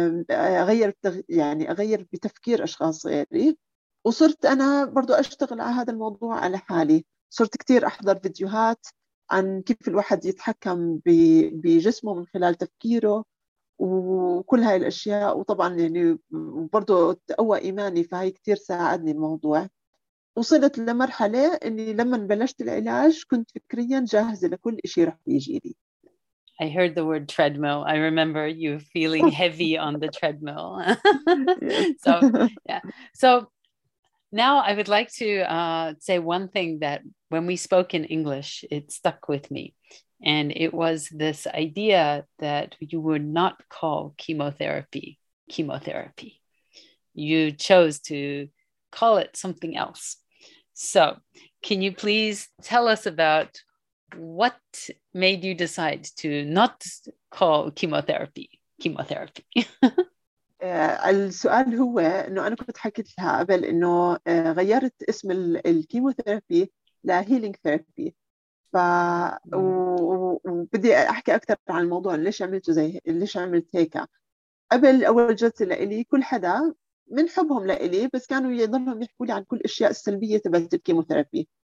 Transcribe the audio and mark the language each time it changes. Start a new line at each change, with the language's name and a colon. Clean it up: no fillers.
Arabic: أغير بتفكير أشخاص غيري وصرت أنا برضو أشتغل على هذا الموضوع على حالي صرت كتير أحضر فيديوهات عن كيف الواحد يتحكم بجسمه من خلال تفكيره وكل هاي الأشياء وطبعاً يعني برضو تقوى إيماني فهي كتير ساعدني الموضوع وصلت لمرحلة أني لما بلشت العلاج كنت فكرياً جاهزة لكل إشي رح يجي لي.
English: I heard the word treadmill. I remember you feeling heavy on the treadmill. So, yeah. So now I would like to say one thing that when we spoke in English, it stuck with me. And it was this idea that you would not call chemotherapy chemotherapy. You chose to call it something else. So can you please tell us about what made you decide to not call chemotherapy chemotherapy?
Arabic: السؤال هو انه انا كنت حكيت لها قبل انه غيرت اسم الكيموثيرابي ل
English: healing therapy.
Arabic: ف وبدي احكي اكثر عن الموضوع ليش عملته زي ليش عملت هيك. قبل اول جلسه لإلي كل حدا من حبهم لإلي بس كانوا يضلهم يحكوا لي عن كل الاشياء السلبيه تبعت الكيموثيرابي.